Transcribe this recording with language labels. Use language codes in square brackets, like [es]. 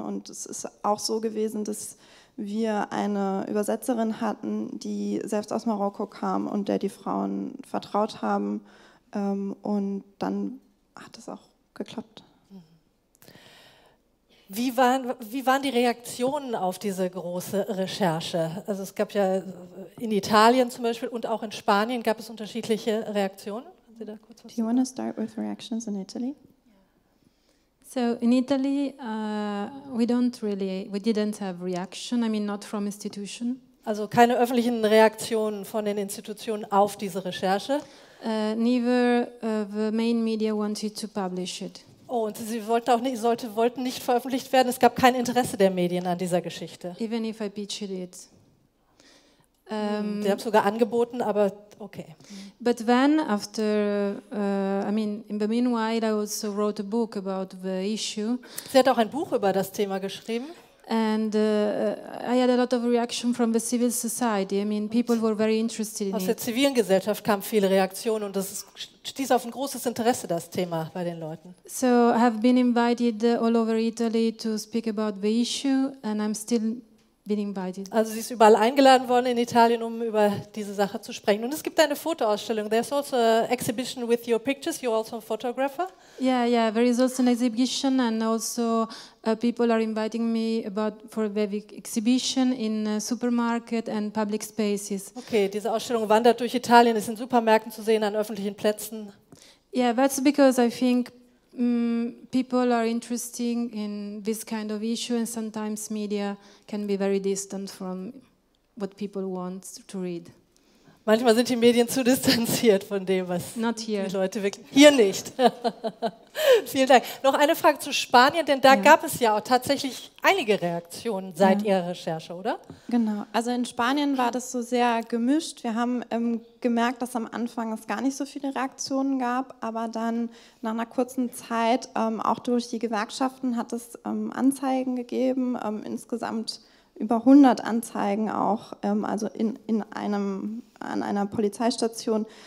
[de] Und es ist auch so gewesen, dass wir eine Übersetzerin hatten, die selbst aus Marokko kam und der die Frauen vertraut haben. Und dann hat es auch geklappt. Wie waren die Reaktionen auf diese große Recherche? Also es gab ja in Italien zum Beispiel und auch in Spanien gab es unterschiedliche Reaktionen. Haben Sie da kurz was? [en] Do you want to start with reactions in Italy? So in Italy we didn't have reaction. I mean not from institution. [de] Also keine öffentlichen Reaktionen von den Institutionen auf diese Recherche. [en] Neither the main media wanted to publish it. [de] Oh, und sie wollten nicht veröffentlicht werden. Es gab kein Interesse der Medien an dieser Geschichte. [en] Even if I pitched it. [de] Sie haben sogar angeboten, aber okay. [en] But then after, I mean, in the meanwhile, I also wrote a book about the issue. [de] Sie hat auch ein Buch über das Thema geschrieben. [en] And I had a lot of reaction from the civil society. I mean, people were very interested in [de] it. Aus der zivilen Gesellschaft kam viele Reaktionen und das stieß auf ein großes Interesse, das Thema, bei den Leuten. [en] So I have been invited all over Italy to speak about the issue and I'm still being invited. [de] Also sie ist überall eingeladen worden in Italien, um über diese Sache zu sprechen. Und es gibt eine Fotoausstellung. [en] There's also an exhibition with your pictures. You're also a photographer. Yeah, there is also an exhibition and also people are inviting me about for the exhibition in supermarket and public spaces. [de] Okay, diese Ausstellung wandert durch Italien, ist in Supermärkten zu sehen, an öffentlichen Plätzen. [en] Yeah, that's because I think people are interested in this kind of issue and sometimes media can be very distant from what people want to read. [de] Manchmal sind die Medien zu distanziert von dem, was [en] Not here. [de] Die Leute wirklich... Hier nicht. Vielen Dank. Noch eine Frage zu Spanien, denn da gab es ja auch tatsächlich einige Reaktionen seit Ihrer Recherche, oder? Genau. Also in Spanien war das so sehr gemischt. Wir haben gemerkt, dass am Anfang es gar nicht so viele Reaktionen gab, aber dann nach einer kurzen Zeit, auch durch die Gewerkschaften, hat es Anzeigen gegeben, insgesamt über 100 Anzeigen auch, also an einer Polizeistation.